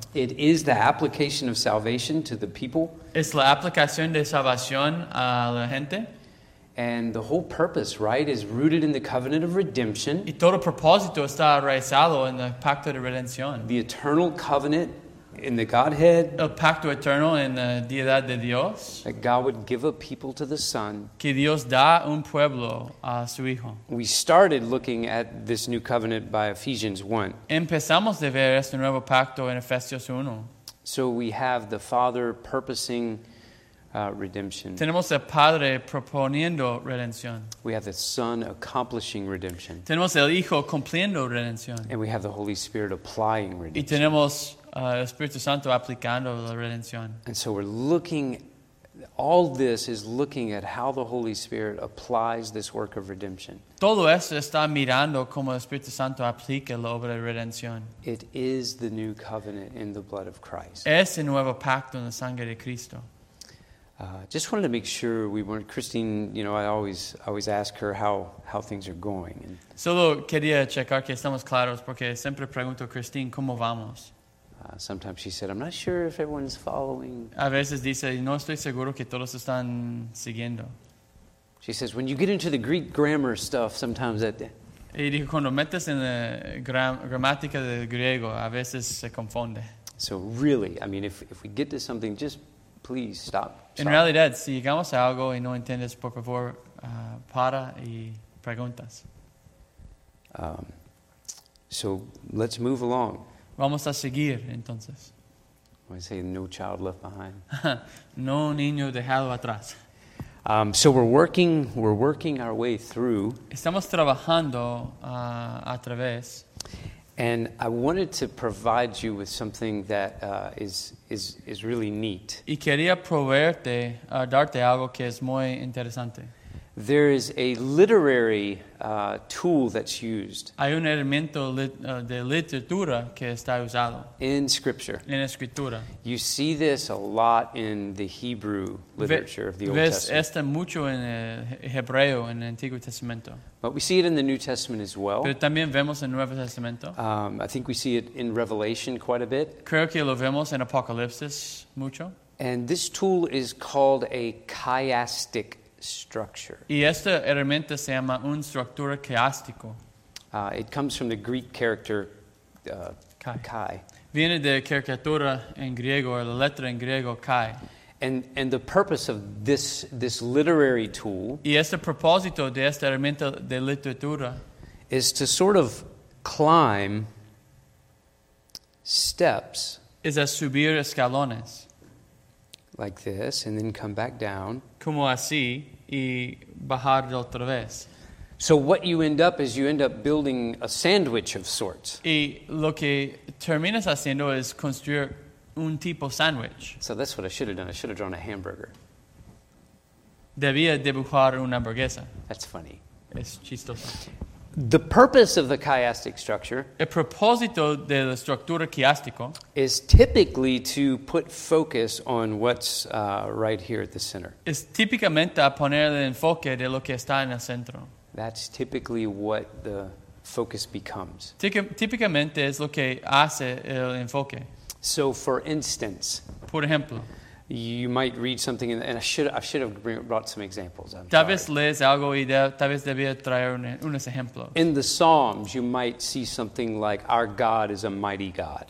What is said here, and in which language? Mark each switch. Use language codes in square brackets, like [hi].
[en] It is the application of salvation to the people. [es] Es la aplicación de salvación a la gente. [en] And the whole purpose, right, is rooted in the covenant of redemption. [es] Y todo propósito está arraigado en el pacto de redención. [en] The eternal covenant in the Godhead. [es] El pacto eterno en la deidad de Dios. [en] That God would give a people to the Son. [es] Que Dios da un pueblo a su Hijo. [en] We started looking at this new covenant by Ephesians 1. [es] Empezamos de ver este nuevo pacto en Efesios 1. [en] So we have the Father purposing redemption. [es] Tenemos el Padre proponiendo redención. [en] We have the Son accomplishing redemption. [es] Tenemos el Hijo cumpliendo redención. [en] And we have the Holy Spirit applying redemption. [es] Y tenemos el Espíritu Santo aplicando la redención. [en] And so we're looking, all this is looking at how the Holy Spirit applies this work of redemption. [es] Todo esto está mirando cómo el Espíritu Santo aplica la obra de redención. [en] It is the new covenant in the blood of Christ. [es] Es el nuevo pacto en la sangre de Cristo. [en] Just wanted to make sure we weren't, Christine, you know, I always ask her how things are going. And [es] solo quería checar que estamos claros porque siempre pregunto a Christine cómo vamos. [en] Sometimes she said, "I'm not sure if everyone's following." [es] A veces dice, "No estoy seguro que todos están siguiendo." [en] She says, "When you get into the Greek grammar stuff, sometimes that." [es] Y dijo, cuando metes en la gramática del griego, a veces se confunde. [en] So really, I mean, if we get to something, just please stop. [es] En realidad, si llegamos a algo y no entiendes, por favor, para y preguntas. [en] So let's move along. [es] Vamos a seguir, entonces. [en] I say no child left behind. [es] No niño dejado atrás. [en] So we're working our way through. [es] Estamos trabajando a través. [en] And I wanted to provide you with something that is really neat. [es] Y quería proveerte, darte algo que es muy interesante. [en] There is a literary tool that's used. [es] Hay un elemento de literatura que está usado. [en] In scripture. [es] En la escritura. [en] You see this a lot in the Hebrew literature of the Old Testament. [es] Ves esto mucho en el hebreo en el Antiguo Testamento. [en] But we see it in the New Testament as well. [es] Pero también vemos en el Nuevo Testamento. [en] I think we see it in Revelation quite a bit. [es] Creo que lo vemos en Apocalipsis mucho. [en] And this tool is called a chiastic structure. [es] Y esta herramienta se llama un estructura chiástico. [en] It comes from the Greek character chi. [es] Viene de caricatura en griego, or la letra en griego chi. [en] And the purpose of this literary tool. [es] Y este propósito de esta herramienta de literatura [en] is to sort of climb steps. [es] Es a subir escalones. [en] Like this, and then come back down. [es] Como así. Y bajar de otra vez. [en] So what you end up is you end up building a sandwich of sorts. [es] Y lo que terminas haciendo es construir un tipo sandwich. [en] So that's what I should have done. I should have drawn a hamburger. [es] Debía dibujar una hamburguesa. [en] That's funny. [es] Es chistoso. [en] The purpose of the chiastic structure. [es] El propósito de la estructura chiástico [en] is typically to put focus on what's right here at the center. [es] Es típicamente a poner el enfoque de lo que está en el centro. [en] That's typically what the focus becomes. [es] Típicamente es lo que hace el enfoque. [en] So, for instance, [es] por ejemplo, [en] You might read something, and I should have brought some examples. [es] Tal vez lees algo y tal vez debía traer unos ejemplos. [en] In the Psalms, you might see something like, "Our God is a mighty God."